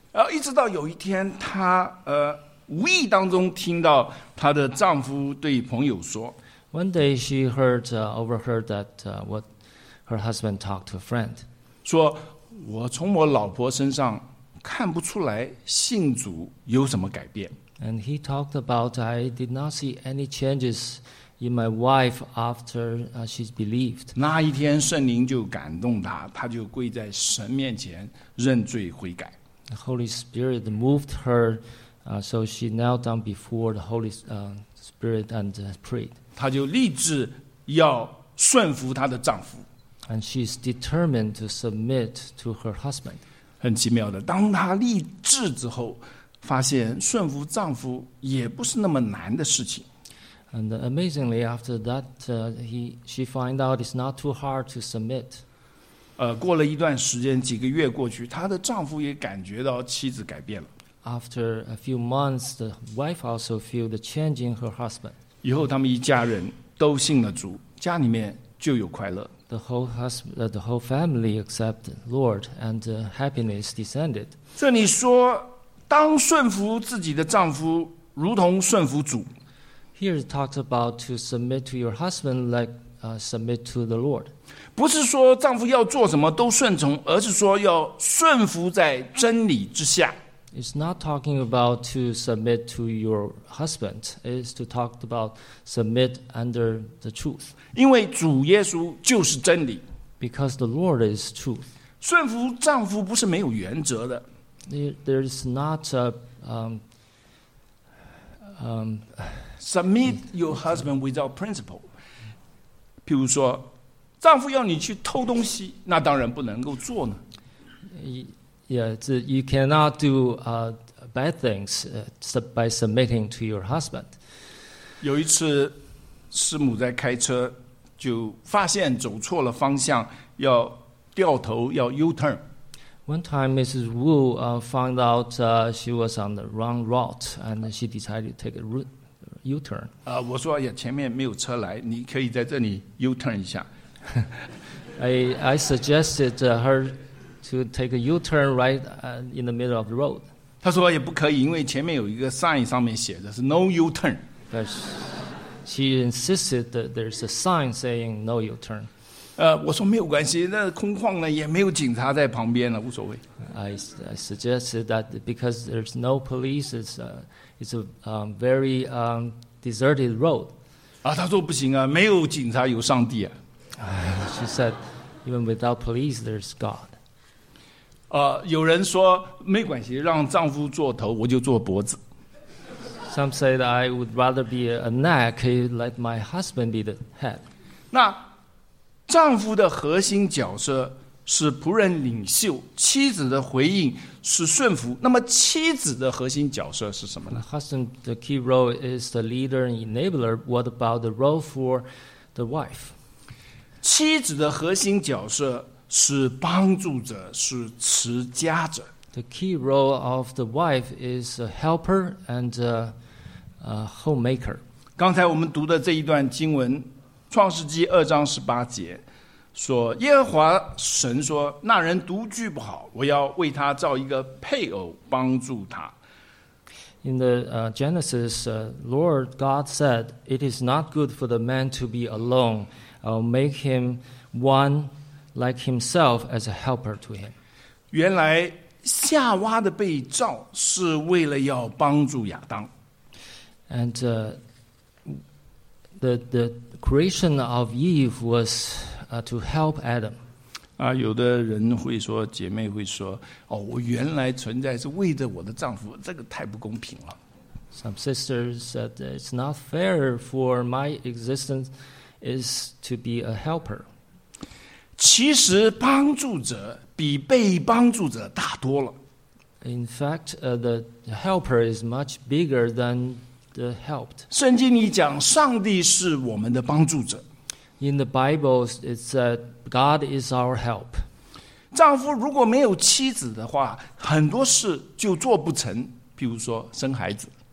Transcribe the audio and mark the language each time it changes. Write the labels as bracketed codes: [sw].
[zh] 一直到有一天，她无意当中听到她的丈夫对朋友说 [en] ，One day she heard overheard that what her husband talked to a friend. [zh] 说，我从我老婆身上看不出来信主有什么改变。 [en] And he talked about I did not see any changes. In my wife, after she's believed. [zh] 那一天圣灵就感动她，她就跪在神面前认罪悔改。 [en] The Holy Spirit moved her, so she knelt down before the Holy Spirit and prayed. [zh] 她就立志要顺服她的丈夫。 [en] And she's determined to submit to her husband. [zh] 很奇妙的，当她立志之后，发现顺服丈夫也不是那么难的事情。 [en] And amazingly, after that, she find out it's not too hard to submit. [zh] 过了一段时间，几个月过去，她的丈夫也感觉到妻子改变了。 [en] After a few months, the wife also feel the change in her husband. [zh] 以后他们一家人都信了主，家里面就有快乐。 [en] The whole family accept the Lord, and happiness descended. [zh] 这里说，当顺服自己的丈夫，如同顺服主。 [en] Here it talks about to submit to your husband like submit to the Lord. [zh] 不是说丈夫要做什么都顺从，而是说要顺服在真理之下。 [en] It's not talking about to submit to your husband. It's to talk about submit under the truth. [zh] 因为主耶稣就是真理。 [en] Because the Lord is truth. [zh] 顺服丈夫不是没有原则的。 [en] There is not a Submit your husband without principle. [zh] 譬如说，丈夫要你去偷东西，那当然不能够做呢。 [en] Yeah, you cannot do bad things by submitting to your husband. [zh] 有一次，师母在开车就发现走错了方向，要掉头，要 U-turn. [en] One time, Mrs. Wu found out she was on the wrong route, and she decided to take a U-turn. [zh] 我说呀，前面没有车来，你可以在这里 U-turn 一下。 [en] I suggested her to take a U-turn right in the middle of the road. [zh] 她说也不可以，因为前面有一个 sign 上面写着是 No U-turn. [en] Yes. She insisted that there's a sign saying no U-turn. [zh] 我说没有关系，那空旷呢，也没有警察在旁边了，无所谓。 [en] I suggested that because there's no police, it's a very deserted road. [zh] 她说不行啊，没有警察有上帝啊。 [en] She said, even without police, there's God. [zh] 有人说没关系，让丈夫做头，我就做脖子。 [en] Some say that I would rather be a neck, let my husband be the head. [zh] 那丈夫的核心角色是仆人领袖，妻子的回应是顺服。那么妻子的核心角色是什么呢？ [en] Husband, the key role is the leader and enabler. What about the role for the wife? [zh] 妻子的核心角色是帮助者，是持家者。 [en] The key role of the wife is a helper and a homemaker. [zh] 刚才我们读的这一段经文，创世纪二章十八节，说耶和华神说，那人独居不好，我要为他造一个配偶帮助他。 [en] In the Genesis, Lord God said, it is not good for the man to be alone. I'll make him one like himself as a helper to him. [zh] 原来夏娃的被造是为了要帮助亚当。 [en] And the creation of Eve was to help Adam. [zh] 有的人会说，姐妹会说，哦，我原来存在是为着我的丈夫，这个太不公平了。 [en] Some sisters said it's not fair for my existence is to be a helper. [zh] 其实帮助者比被帮助者大多了。 [en] In fact, the helper is much bigger than the helped. [zh] 圣经里讲，上帝是我们的帮助者。 [en] In the Bible, it said God is our help. [zh] 丈夫如果没有妻子的话，很多事就做不成，比如说生孩子。